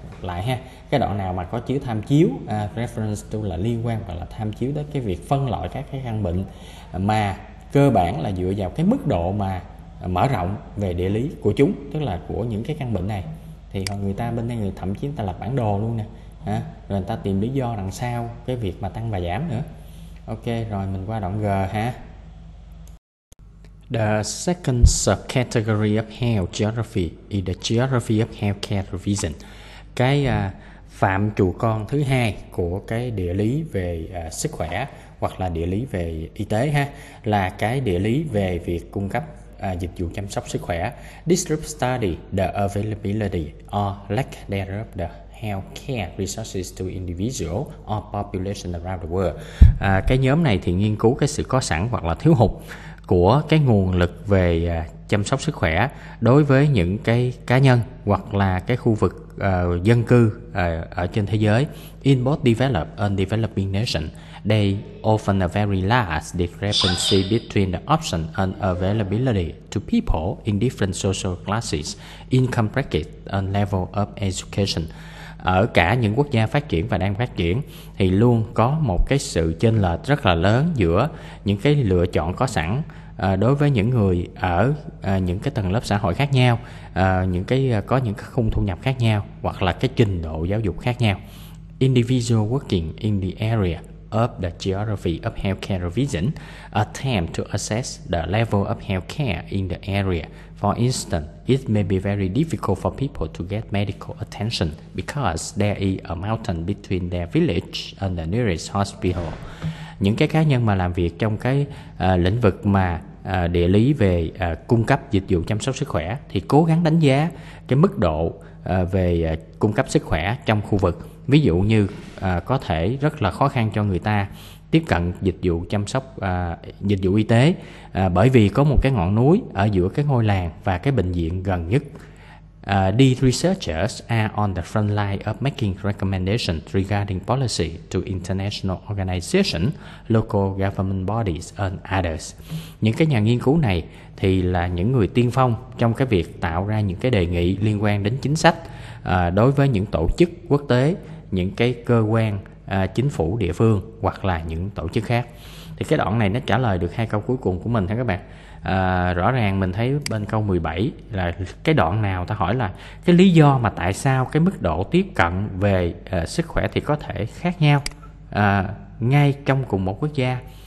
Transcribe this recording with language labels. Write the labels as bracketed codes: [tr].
[vi] Lại ha, cái đoạn nào mà có chứa tham chiếu reference to là liên quan hoặc là tham chiếu tới cái việc phân loại các cái căn bệnh mà cơ bản là dựa vào cái mức độ mà mở rộng về địa lý của chúng, tức là của những cái căn bệnh này, thì người ta bên đây người thậm chí người ta lập bản đồ luôn nè, ha, rồi người ta tìm lý do đằng sau cái việc mà tăng và giảm nữa. Ok, rồi mình qua đoạn G ha. [en] The second subcategory of health geography is the geography of healthcare provision. [vi] Cái phạm trù con thứ hai của cái địa lý về sức khỏe hoặc là địa lý về y tế ha, là cái địa lý về việc cung cấp dịch vụ chăm sóc sức khỏe. [en] This group study the availability or lack thereof of the healthcare resources to individual or population around the world. [vi] Cái nhóm này thì nghiên cứu cái sự có sẵn hoặc là thiếu hụt của cái nguồn lực về chăm sóc sức khỏe đối với những cái cá nhân hoặc là cái khu vực dân cư ở trên thế giới. [en] In both developed and developing nations, they often a very large discrepancy between the option and availability to people in different social classes, income bracket and level of education. [vi] Ở cả những quốc gia phát triển và đang phát triển thì luôn có một cái sự chênh lệch rất là lớn giữa những cái lựa chọn có sẵn đối với những người ở những cái tầng lớp xã hội khác nhau, những cái có những cái khung thu nhập khác nhau hoặc là cái trình độ giáo dục khác nhau. [en] Individual working in the area of the geography of healthcare provision attempt to assess the level of healthcare in the area. For instance, it may be very difficult for people to get medical attention because there is a mountain between their village and the nearest hospital. [vi] Những cái cá nhân mà làm việc trong cái lĩnh vực mà địa lý về cung cấp dịch vụ chăm sóc sức khỏe thì cố gắng đánh giá cái mức độ về cung cấp sức khỏe trong khu vực. Ví dụ như có thể rất là khó khăn cho người ta tiếp cận dịch vụ chăm sóc, dịch vụ y tế bởi vì có một cái ngọn núi ở giữa cái ngôi làng và cái bệnh viện gần nhất. [en] The researchers are on the front line of making recommendations regarding policy to international organizations, local government bodies and others. [vi] Những cái nhà nghiên cứu này thì là những người tiên phong trong cái việc tạo ra những cái đề nghị liên quan đến chính sách đối với những tổ chức quốc tế, những cái cơ quan chính phủ địa phương hoặc là những tổ chức khác. Thì cái đoạn này nó trả lời được hai câu cuối cùng của mình ha các bạn. Rõ ràng mình thấy bên câu 17 là cái đoạn nào ta hỏi là cái lý do mà tại sao cái mức độ tiếp cận về sức khỏe thì có thể khác nhau ngay trong cùng một quốc gia.